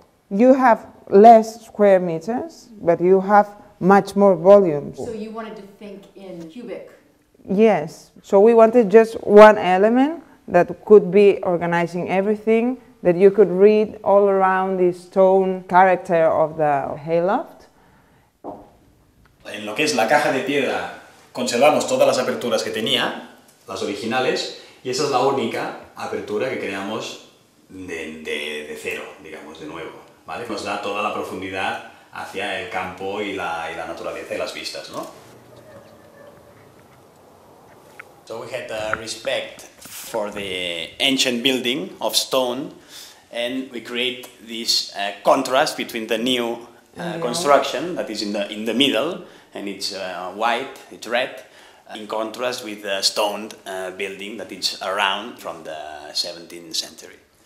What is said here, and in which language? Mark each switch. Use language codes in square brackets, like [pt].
[en] You have less square meters, but you have much more volume. So you wanted to think in cubic? Yes, so we wanted just one element that could be organizing everything, that you could read all around the stone character of the hayloft. [es] En lo que es la caja de piedra, conservamos todas las aperturas que tenía, las originales, y esa es la única apertura que creamos de cero, digamos, de nuevo, ¿vale? Nos da toda la profundidad hacia el campo y la naturaleza y las vistas, ¿no? [en] So we had the respect for the ancient building of stone, and we create this contrast between the new construction that is in the middle, and it's white, it's red, in contrast with the stone building that is around from the 17th century.